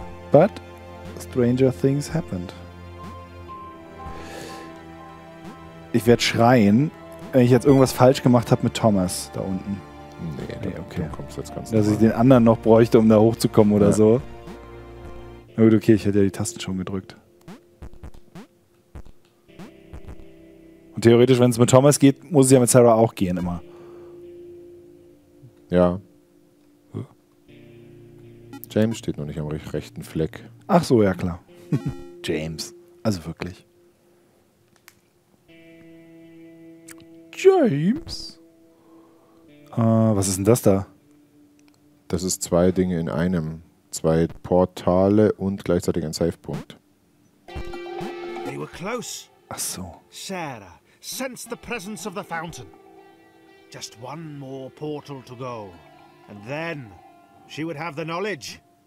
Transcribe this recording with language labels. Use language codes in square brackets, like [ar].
[en] But stranger things happened. [de] Ich werde schreien, wenn ich jetzt irgendwas falsch gemacht habe mit Thomas da unten. Nee, nee, okay. Du kommst jetzt ganz dass normal. Ich den anderen noch bräuchte, um da hochzukommen oder so. Na gut, okay, ich hätte ja die Tasten schon gedrückt. Und theoretisch, wenn es mit Thomas geht, muss es ja mit Sarah auch gehen immer. Ja. James steht noch nicht am rechten Fleck. Ach so, ja klar. James. Also wirklich. James? Was ist denn das da? Das ist zwei Dinge in einem. Zwei Portale und gleichzeitig ein Safe-Punkt. [en] They were close. [de] Ach so. [en] Sarah, sense the presence of the fountain. Just one more portal to go. And then she would have the knowledge.